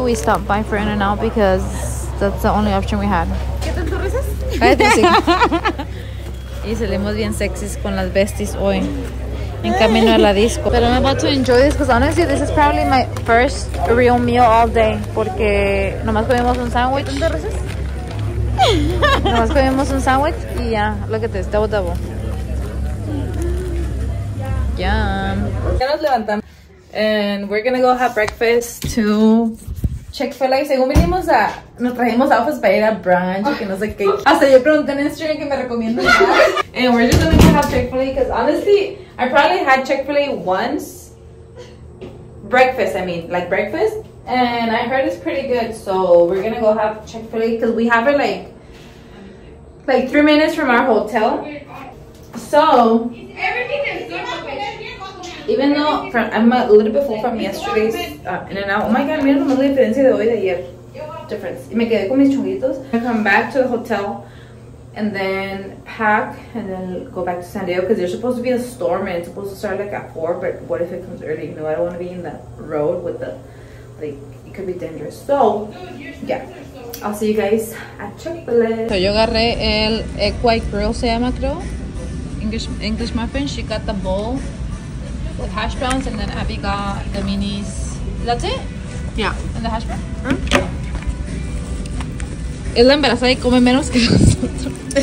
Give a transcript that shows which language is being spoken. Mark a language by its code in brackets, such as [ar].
[en] We stopped by for In-N-Out because that's the only option we had. [es] ¿Qué tanto rezas? Y salimos bien sexys con las besties hoy. En camino a la disco. [en] But I'm about to enjoy this because honestly, this is probably my first real meal all day. [es] Porque nomás comimos un sandwich. ¿Qué tanto rezas? Nomás comimos un sandwich y ya. [en] Look at this, double double. Yeah. [es] Ya nos levantamos. [en] And we're gonna go have breakfast to Chick-fil-A. [es] Según vinimos a, nos trajimos outfits para ir a brunch, que no sé qué. Hasta yo pregunté en Instagram que me recomiendo. [en] And we're just gonna go have Chick-fil-A because honestly, I probably had Chick-fil-A once. Breakfast, I mean, like breakfast. And I heard it's pretty good, so we're gonna go have Chick-fil-A because we have it like 3 minutes from our hotel. So. Even though I'm a little bit full from yesterday's In-N-Out. Oh my god, [es] mira nomás la diferencia de hoy de ayer. Difference. Y me quedé con mis chunguitos. [en] I'm gonna come back to the hotel and then pack and then go back to San Diego because there's supposed to be a storm and it's supposed to start like at 4, but what if it comes early? You know, I don't want to be in the road with the, like, it could be dangerous. So, yeah. I'll see you guys at Chick-fil-A. [es] So, yo agarré el egg white grill, se llama, creo. English muffin. [en] She got the bowl with hash browns, and then Abby got the minis. That's it? Yeah. And the hash brown? [es] Es la embarazada y come menos que nosotros.